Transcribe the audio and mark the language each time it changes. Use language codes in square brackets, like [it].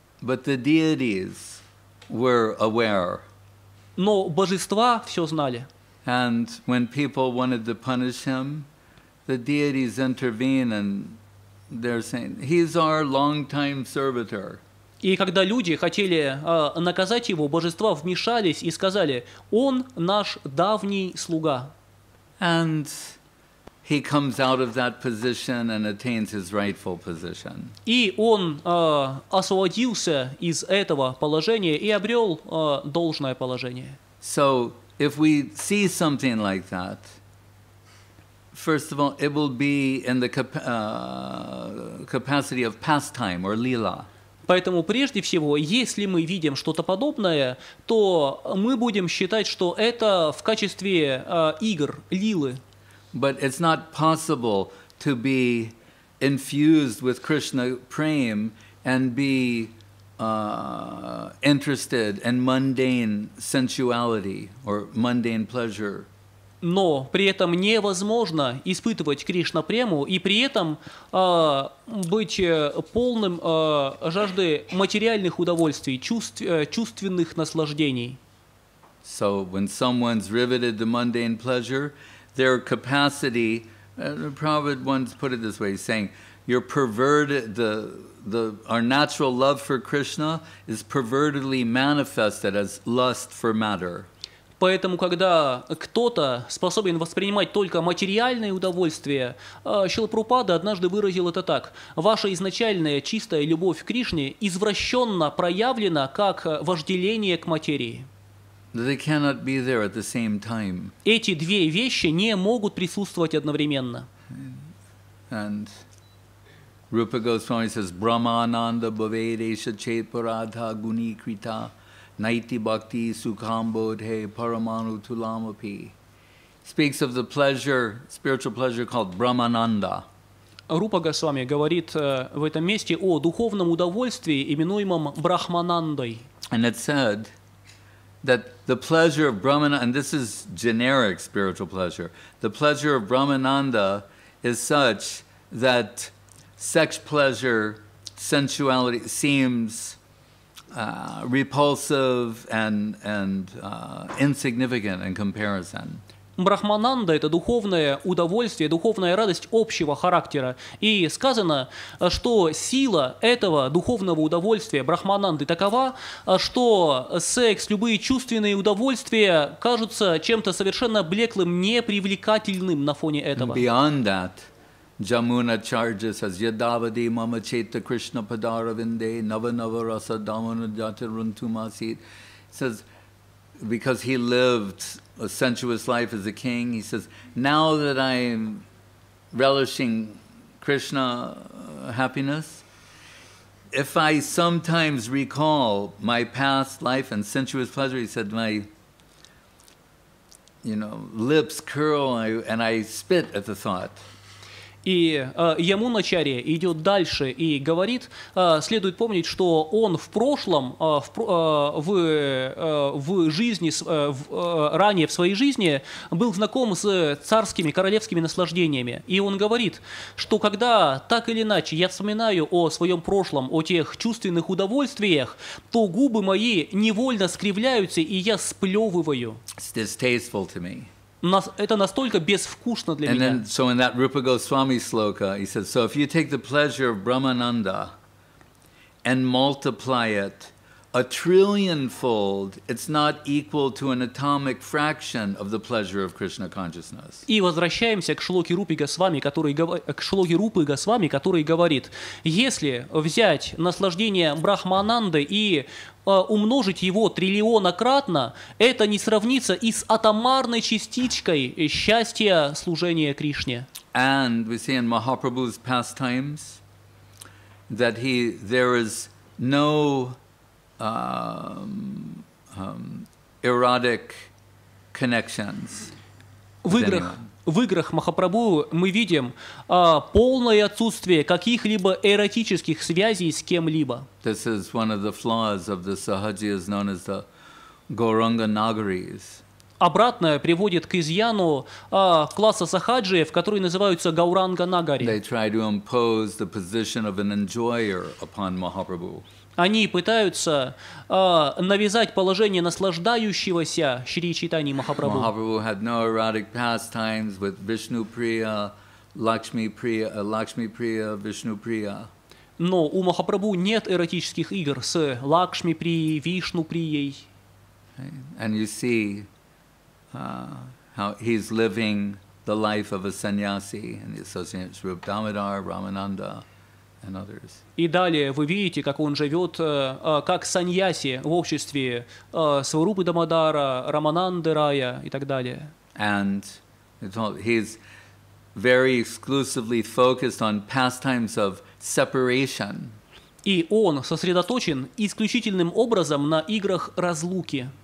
[en] But the deities were aware. [ru] Но божества все знали. [en] And when people wanted to punish him, the deities intervene and they're saying, he's our long-time servitor. [ru] И когда люди хотели наказать его, божества вмешались и сказали: «Он наш давний слуга». [en] And he comes out of that position and attains his rightful position. [ru] И он освободился из этого положения и обрел должное положение. [en] So if we see something like that, first of all, it will be in the capacity of pastime or lila. [ru] Поэтому, прежде всего, если мы видим что-то подобное, то мы будем считать, что это в качестве игр, лилы. [en] But it's not possible to be infused with Krishna prem and be interested in mundane sensuality or mundane pleasure. [ru] Но при этом невозможно испытывать Кришна-прему и при этом быть полным жажды материальных удовольствий, чувственных наслаждений. [en] So when someone's riveted to mundane pleasure, their capacity, Prabhupada once put it this way, saying, you're perverted, our natural love for Krishna is pervertedly manifested as lust for matter. [ru] Поэтому, когда кто-то способен воспринимать только материальные удовольствия, Шрила Прабхупада однажды выразил это так: ваша изначальная чистая любовь к Кришне извращенно проявлена как вожделение к материи. [en] They cannot be there at the same time. [ru] Эти две вещи не могут присутствовать одновременно. [en] And Rupa Goswami says, [sa] Brahmananda Bhavedesha Chetparadha Guni Krita. Naiti bhakti sukhambodhe paramanu tulamapi. [en] Speaks of the pleasure, spiritual pleasure called Brahmananda. [ru] Рупа Госвами говорит в этом месте о духовном удовольствии, именуемом Брахманандой. [en] And it said that the pleasure of Brahmananda, and this is generic spiritual pleasure, the pleasure of Brahmananda is such that sex pleasure, sensuality seems repulsive and insignificant in comparison. [ru] Брахмананда – это духовное удовольствие, духовная радость общего характера. И сказано, что сила этого духовного удовольствия брахмананды такова, что секс, любые чувственные удовольствия кажутся чем-то совершенно блеклым, непривлекательным на фоне этого. [en] Beyond that, Jamuna charges as [sa] Yadavadi Mama Chaita Krishna Padaravinde Nava Nava Rasa Damana Jata Runtumasit. [en] Says, because he lived a sensuous life as a king, he says, now that I'm relishing Krishna happiness, if I sometimes recall my past life and sensuous pleasure, he said, my, you know, lips curl and I spit at the thought. [ru] И Ямуначари идет дальше и говорит, следует помнить, что он в прошлом, ранее в своей жизни был знаком с царскими, королевскими наслаждениями. И он говорит, что когда так или иначе я вспоминаю о своем прошлом, о тех чувственных удовольствиях, то губы мои невольно скривляются, и я сплевываю. [en] It's distasteful to me. [ru] Это настолько безвкусно для [en] and [ru] меня. [en] And then, so in that Rupa Goswami sloka, he says, so if you take the pleasure of Brahmananda and multiply it a trillionfold, it's not equal to an atomic fraction of the pleasure of Krishna consciousness. [ru] И возвращаемся к шлоке Рупы Госвами, который говорит, если взять наслаждение Брахмананды и умножить его триллионократно, это не сравнится и с атомарной частичкой счастья служения Кришне. [en] And we see in Mahaprabhu's pastimes that he, there is no erotic connections. [ru] В играх Махапрабху мы видим полное отсутствие каких-либо эротических связей с кем-либо. [en] This is one of the flaws of the Sahajiyas known as the Gauranga Nagaris. [ru] Обратное приводит к изъяну класса сахаджиев, которые называются Гауранга Нагари. [en] They try to impose the position of an enjoyer upon Mahaprabhu. [ru] Они пытаются навязать положение наслаждающегося Шри Чайтаньи Махапрабху. [en] Mahaprabhu had no erotic pastimes with Vishnu Priya, Lakshmi Priya, Lakshmi Priya, Vishnu Priya. [ru] Но у Махапрабху нет эротических игр с Лакшми Прией, Вишну Прией. [en] And you see how he's living the life of a sannyasi and the associates Rupa Damodar, Ramananda. [ru] И далее вы видите, как он живет, как саньяси в обществе Сварупы Дамодара, Рамананды Рая и так далее. [en] And he's very exclusively focused on pastimes of separation. [ru] И он сосредоточен исключительным образом на играх разлуки.